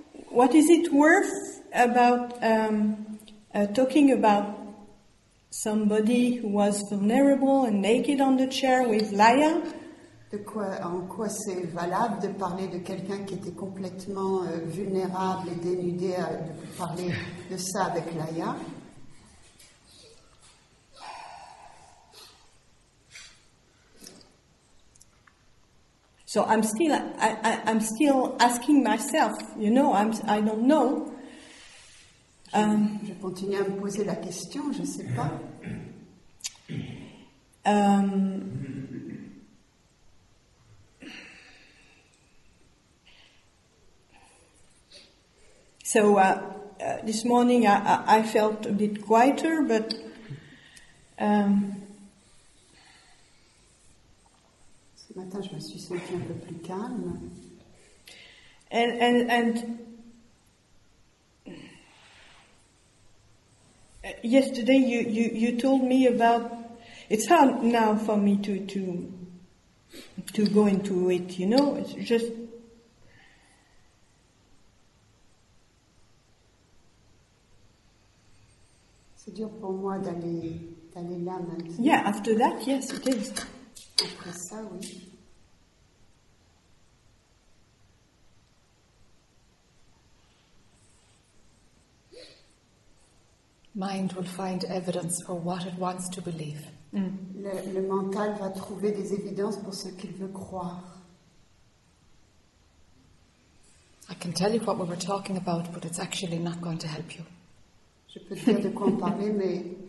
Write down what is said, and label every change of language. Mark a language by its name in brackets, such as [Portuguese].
[English] What is it worth about talking about somebody who was vulnerable and naked on the chair with Laya? [French] de quoi, en quoi c'est valable de parler de quelqu'un qui était complètement vulnérable et dénudé, de parler de ça avec Laya. [English] So I'm still asking myself, you know, I don't know. [French] Je continue à me poser la question, je ne sais pas. [English] So this morning I felt a bit quieter, but [French] ce matin je me suis sentie un peu plus calme. [English] And yesterday you told me about, it's hard now for me to go into it, you know, it's just. [French] C'est dur pour moi d'aller là maintenant. [English] Yeah, after that, yes, it is. [French] Après ça, oui. [English] Mind will find evidence for what it wants to believe. [French] Le mental va trouver des évidences pour ce qu'il veut croire. [English] I can tell you what we were talking about, but it's actually not going to help you. [French] Je peux te dire de quoi en parler, mais